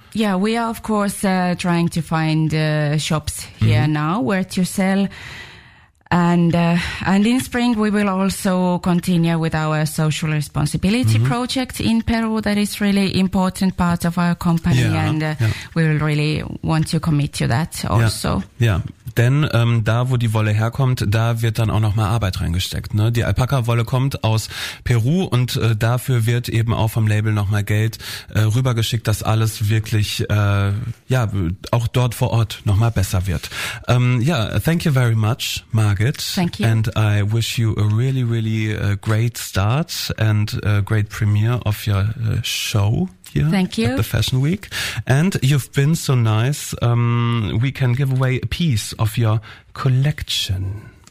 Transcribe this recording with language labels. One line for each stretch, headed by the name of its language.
English: Yeah, we are of course trying to find shops here now where to sell. And in spring, we will also continue with our social responsibility project in Peru. That is really important part of our company. Yeah, we will really want to commit to that also. Yeah.
German: Denn da, wo die Wolle herkommt, da wird dann auch nochmal Arbeit reingesteckt. Ne? Die Alpaka-Wolle kommt aus Peru, und dafür wird eben auch vom Label nochmal Geld rübergeschickt, dass alles wirklich auch dort vor Ort nochmal besser wird.
English: Thank you very much, Margit. Thank you. And I wish you a really, really great start and a great premiere of your show. Yeah, thank you. At the Fashion Week. And you've been so nice. We can give away a piece of your collection.